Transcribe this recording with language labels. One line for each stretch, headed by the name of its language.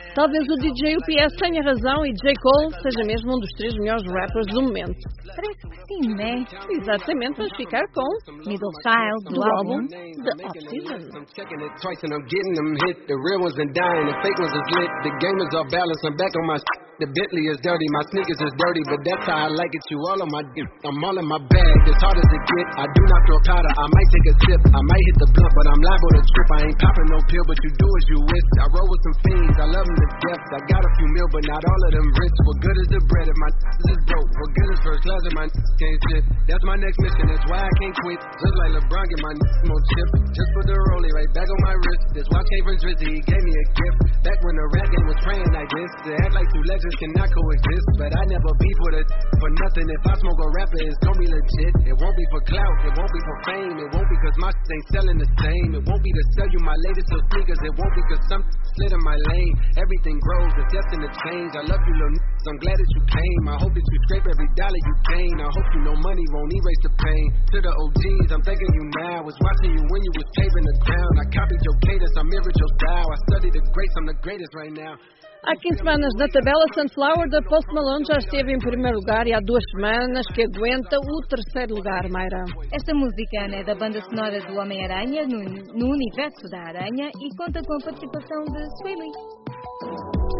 Portuguese: Talvez o DJ UPS tenha razão e J. Cole seja mesmo um dos três melhores rappers do momento. Parece que sim, né? Exatamente, vamos ficar com Middle Child, do álbum The Off-Season.
English: The Bentley is dirty, my sneakers is dirty, but that's how I like it. You all on my dick, I'm all in my bag, as hard as it get. I do not throw powder, I might take a sip, I might hit the blunt, but I'm liable to trip. I ain't popping no pill, but you do as you wish. I roll with some fiends, I love them to death. I got a few mil, but not all of them rich. What good is the bread if my dick is broke? What good is first class if my dick can't sit? That's my next mission, that's why I can't quit. Just like LeBron, get my dick more chip. Just put the rollie right back on my wrist. This watch came from Drizzy, he gave me a gift. Back when the rap game was praying like this, to act like two legends cannot coexist, but I never beef with a for nothing. If I smoke a rapper, it's gonna be legit. It won't be for clout, it won't be for fame, it won't be cause my shit ain't selling the same. It won't be to sell you my latest little sneakers, it won't be cause some slid in my lane. Everything grows, it's destined to change. I love you little niggas, I'm glad that you came. I hope that you scrape every dollar you gain. I hope you know money won't erase the pain. To the OGs, I'm thanking you now. I was watching you when you was paving the town. I copied your cadence, I mirrored your style. I studied the greats, I'm the greatest right now.
Portuguese: Há 15 semanas na tabela, Sunflower da Post Malone já esteve em primeiro lugar e há 2 semanas que aguenta o 3º lugar, Mayra. Esta música, Ana, é da banda sonora do Homem-Aranha, no universo da Aranha, e conta com a participação de Swilly.